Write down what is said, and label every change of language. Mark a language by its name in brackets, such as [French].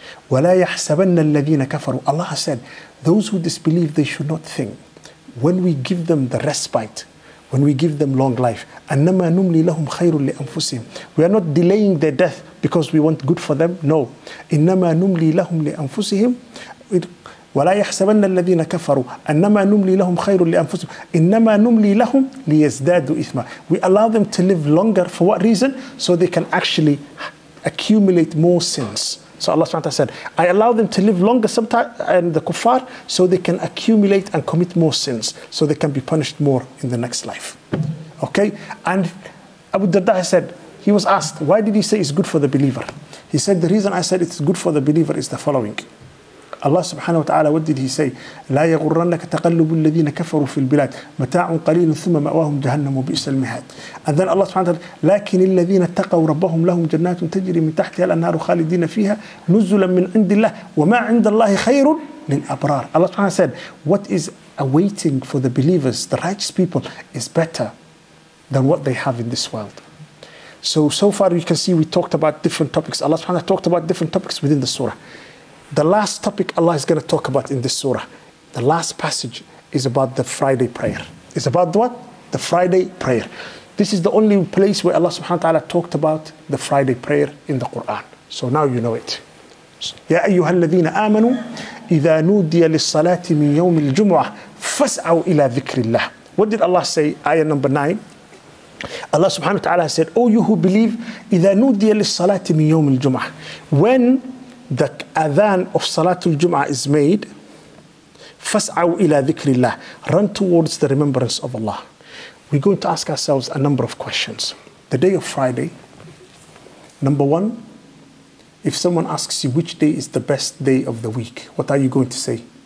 [Arabic] وَلَا يَحْسَبَنَّ الَّذِينَ كَفَرُوا [English] Allah said, those who disbelieve, they should not think. When we give them the respite, when we give them long life, [Arabic] أَنَّمَا نُمْلِي لَهُمْ خَيْرٌ لِأَنفُسِهِمْ [English] We are not delaying their death because we want good for them. No. [Arabic] إِنَّمَا نُمْلِي لَهُمْ لِأَنفُسِهِمْ وَلَا يَحْسَبَنَّ الَّذِينَ كَفَرُوا أَنَّمَا نُمْلِي لَهُمْ خَيْرٌ لِأَنفُسِهِمْ إِنَّمَا نُمْلِي لَهُمْ لِيَزْدَادُوا إِثْمًا [English] We allow them to live longer. For what reason? So they can actually accumulate more sins. So Allah subhanahu wa ta'ala said, I allow them to live longer sometime, and the kuffar, so they can accumulate and commit more sins, so they can be punished more in the next life. Okay? And Abu Darda said, he was asked, why did he say it's good for the believer? He said, the reason I said it's good for the believer is the following. Allah subhanahu wa ta'ala, what did he say? [Arabic] لَا يَغُرَّنَّكَ تَقَلُّبُ الَّذِينَ كَفَرُوا فِي الْبِلَادِ مَتَاعٌ قَلِيلٌ ثُمَّ مَأْوَاهُمْ جَهَنَّمُ وَبِئْسَ الْمِهَادِ [English] And then Allah subhanahu wa ta'ala, [Arabic] لَكِنِ الَّذِينَ اتَّقَوْا رَبَّهُمْ لَهُمْ جَنَّاتٌ تَجْرِي مِنْ تَحْتِهَا الْأَنْهَارُ خَالِدِينَ فِيهَا نُزُلًا مِنْ عِنْدِ اللَّهِ وَمَا عِنْدَ اللَّهِ خَيْرٌ لِلْأَبْرَارِ [English] Allah subhanahu wa ta'ala said, what is awaiting for the believers, the righteous people, is better than what they have in this world. So far you can see we talked about different topics. Allah subhanahu wa ta'ala talked about different topics within the surah. The last topic Allah is going to talk about in this surah, the last passage, is about the Friday prayer. It's about what? The Friday prayer. This is the only place where Allah subhanahu wa ta'ala talked about the Friday prayer in the Quran. So now you know it. [Arabic] يَا أَيُّهَا الَّذِينَ آمَنُوا إِذَا نُودِيَ لِلصَّلَاةِ مِنْ يَوْمِ الْجُمُعَةِ فَاسْعَوْا إِلَى ذِكْرِ اللَّهِ [English] What did Allah say? Ayah number 9. Allah subhanahu wa ta'ala said, O you who believe, [Arabic] إِذَا نُودِيَ لِلصَّلَاةِ مِنْ يَوْمِ الْجُمُعَةِ [English] When the adhan of Salatul Jum'ah is made, [Arabic] fas'aw ila dhikrillah, [English] run towards the remembrance of Allah. We're going to ask ourselves a number of questions. The day of Friday, number one, if someone asks you which day is the best day of the week, what are you going to say?